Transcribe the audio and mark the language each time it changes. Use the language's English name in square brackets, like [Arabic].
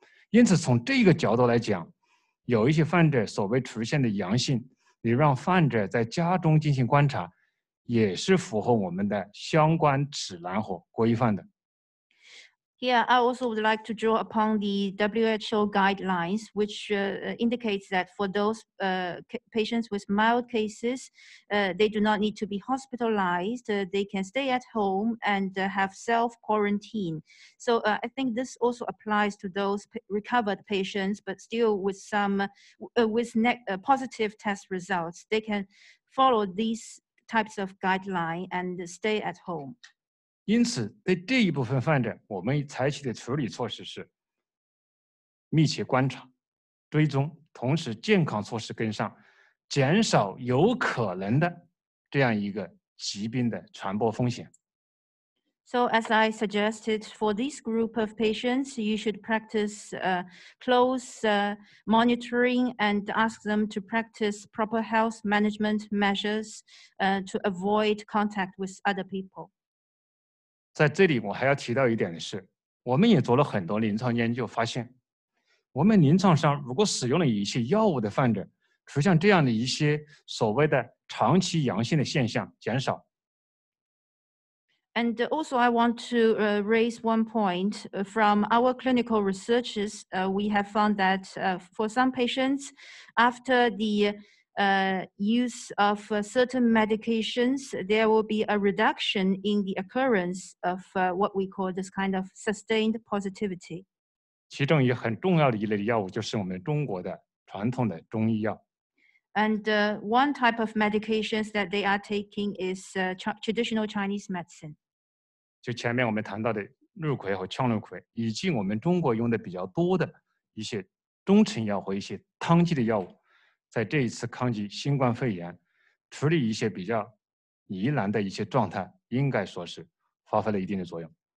[Chinese] 因此，从这个角度来讲，有一些患者所谓出现的阳性，你让患者在家中进行观察，也是符合我们的相关指南和规范的。 [English] Here, I also would like to draw upon the WHO guidelines, which indicates that for those patients with mild cases, they do not need to be hospitalized. They can stay at home and have self-quarantine. So I think this also applies to those recovered patients, but still with some positive test results. They can follow these types of guidelines and stay at home. [Chinese] 因此，对这一部分患者，我们采取的处理措施是密切观察、追踪，同时健康措施跟上，减少有可能的这样一个疾病的传播风险。 [English] So as I suggested, for this group of patients, you should practice close monitoring and ask them to practice proper health management measures to avoid contact with other people. [Chinese] 在这里我还要提到一点的是，我们也做了很多临床研究，发现我们临床上如果使用了一些药物的患者，出现这样的一些所谓的长期阳性的现象减少。 [English] And also, I want to raise one point. From our clinical researches, we have found that for some patients, after the use of certain medications, there will be a reduction in the occurrence of what we call this kind of sustained positivity. [Chinese] 其中一个很重要的一类药物就是我们中国的传统的中医药。 [English] And one type of medications that they are taking is traditional Chinese medicine. [Chinese] 就前面我们谈到的氯喹和羟氯喹，以及我们中国用的比较多的一些中成药和一些汤剂的药物，在这一次抗击新冠肺炎，处理一些比较疑难的一些状态，应该说是发挥了一定的作用。